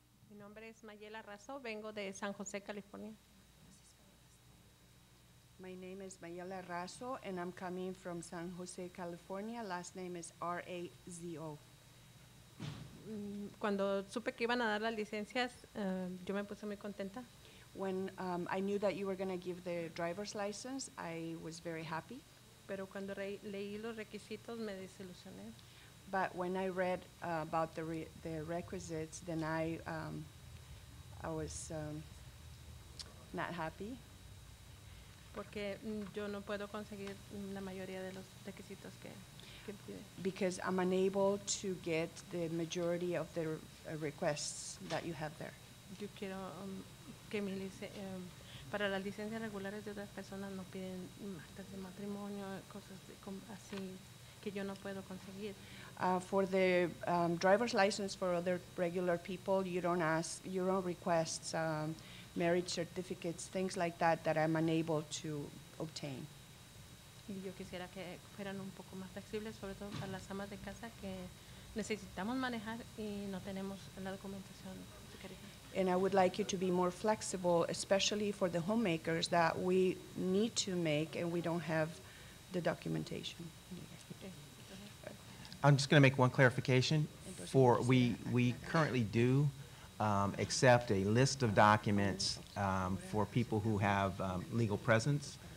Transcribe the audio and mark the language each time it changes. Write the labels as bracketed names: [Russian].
[Spanish] Mi nombre es Mayela Razo, vengo de San Jose, California. [English] My name is Mayela Razo, and I'm coming from San Jose, California. Last name is R-A-Z-O. [Spanish] Cuando supe que iban a dar las licencias, yo me puse muy contenta. [English] When I knew that you were going to give the driver's license, I was very happy. [Spanish] Pero cuando leí los requisitos, me desilusioné. [English] But when I read about the requisites, then I was not happy. [Spanish] Porque yo no puedo conseguir la mayoría de los requisitos que... [English] Because I'm unable to get the majority of the requests that you have there. [Spanish] Yo quiero que mi para las licencias regulares de otras personas no piden actas de matrimonio, cosas así. que yo no puedo conseguir. [English] For the driver's license for other regular people, you don't ask, you don't request marriage certificates, things like that, that I'm unable to obtain. [Spanish] Yo quisiera que fueran un poco más flexibles, sobre todo para las amas de casa que necesitamos manejar y no tenemos la documentación. [English] And I would like you to be more flexible, especially for the homemakers that we need to make and we don't have the documentation. I'm just going to make one clarification. For we currently do accept a list of documents for people who have legal presence.